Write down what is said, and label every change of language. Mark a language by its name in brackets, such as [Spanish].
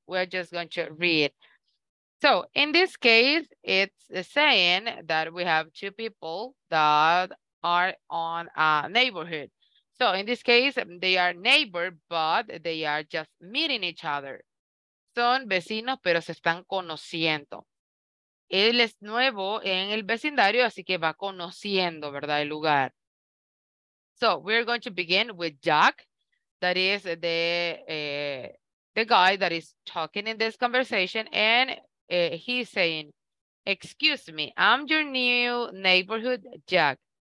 [English] We're just going to read. So in this case, it's saying that we have two people that are on a neighborhood. So in this case, they are neighbor, but they are just meeting each other. [Spanish] Son vecinos, pero se están conociendo. Él es nuevo en el vecindario, así que va conociendo, ¿verdad?, el lugar. [English] So we're going to begin with Jack. That is the guy that is talking in this conversation, and he's saying, excuse me, I'm your new neighborhood, Jack.